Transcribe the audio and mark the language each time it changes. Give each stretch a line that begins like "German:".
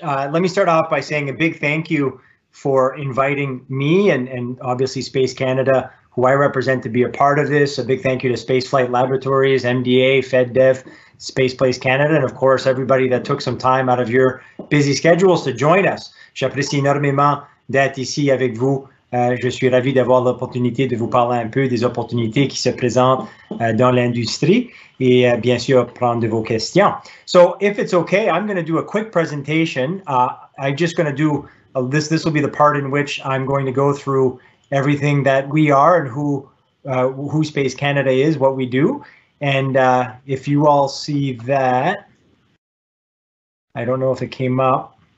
English: Let me start off by saying a big thank you for inviting me and obviously Space Canada, who I represent, to be a part of this. A big thank you to Space Flight Laboratories, MDA, FedDev, Space Place Canada, and of course, everybody that took some time out of your busy schedules to join us.
French: J'apprécie énormément d'être ici avec vous. Je suis ravi d'avoir l'opportunité de vous parler un peu des opportunités qui se présentent dans l'industrie et bien sûr prendre de vos questions.
English: So if it's okay, I'm going to do a quick presentation. I'm just going to do this will be the part in which I'm going to go through everything that we are and who Space Canada is, what we do. And if you all see that, I don't know if it came up.